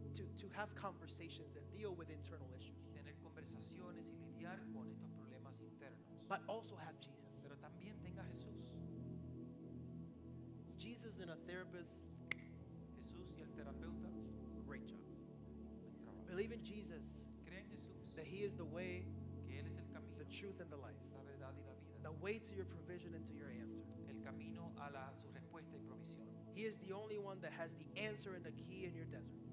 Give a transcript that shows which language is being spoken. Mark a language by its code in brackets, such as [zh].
[en] To have conversations and deal with internal issues. [es] Tener conversaciones y lidiar con estos problemas internos. [en] But also have Jesus. [es] Pero también tenga Jesús. [en] Jesus and a therapist. [es] Jesús y el terapeuta. [en] Great job. Believe in Jesus. [es] Cree en Jesús. [en] That he is the way, [es] que él es el camino, [en] the truth and the life. [es] La verdad y la vida. [en] The way to your provision and to your answer. [es] El camino a la, su respuesta y provisión. [en] He is the only one that has the answer and the key in your desert.